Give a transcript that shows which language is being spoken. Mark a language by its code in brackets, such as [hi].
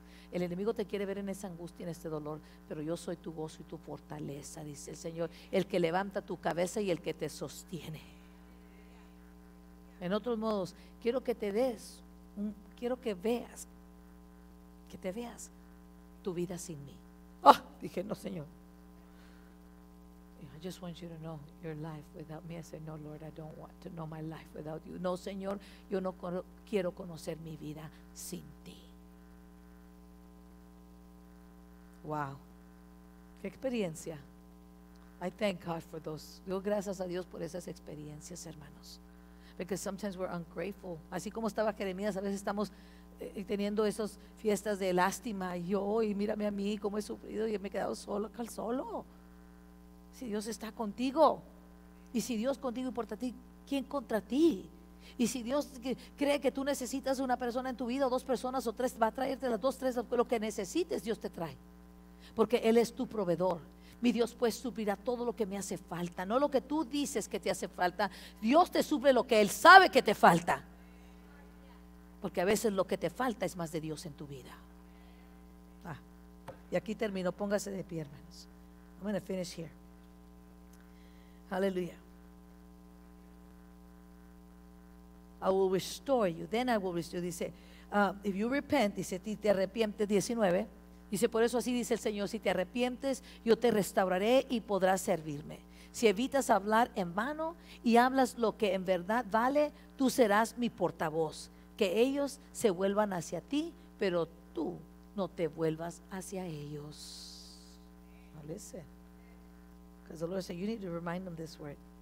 [es] El enemigo te quiere ver en esa angustia, en este dolor, pero yo soy tu gozo y tu fortaleza, dice el Señor, el que levanta tu cabeza y el que te sostiene. En otros modos, quiero que te des, quiero que veas, que te veas tu vida sin mí. Oh, dije, no, Señor. [en] I just want you to know your life without me. I said, no, Lord, I don't want to know my life without you. [es] No, Señor, yo no quiero conocer mi vida sin ti. [en] Wow. [es] Qué experiencia. [en] I thank God for those. [es] Digo gracias a Dios por esas experiencias, hermanos. [en] Because sometimes we're ungrateful. [es] Así como estaba Jeremías, a veces estamos teniendo esas fiestas de lástima. Yo, y mírame a mí, cómo he sufrido y me he quedado solo, acá solo. Si Dios está contigo, y si Dios contigo y por ti, ¿quién contra ti? Y si Dios cree que tú necesitas una persona en tu vida, o dos personas, o tres, va a traerte las dos, tres, lo que necesites, Dios te trae. Porque Él es tu proveedor. Mi Dios pues suplirá todo lo que me hace falta, no lo que tú dices que te hace falta. Dios te suple lo que Él sabe que te falta. Porque a veces lo que te falta es más de Dios en tu vida. Ah, y aquí termino, póngase de pie, hermanos. [en] I'm going to finish here. Hallelujah. I will restore you, then I will restore you. [es] Dice, [en] if you repent, [es] dice, si te arrepientes, 19. Dice, por eso así dice el Señor, si te arrepientes, yo te restauraré y podrás servirme. Si evitas hablar en vano y hablas lo que en verdad vale, tú serás mi portavoz. Que ellos se vuelvan hacia ti, pero tú no te vuelvas hacia ellos. [en] Now listen, because the Lord said, you need to remind them this word.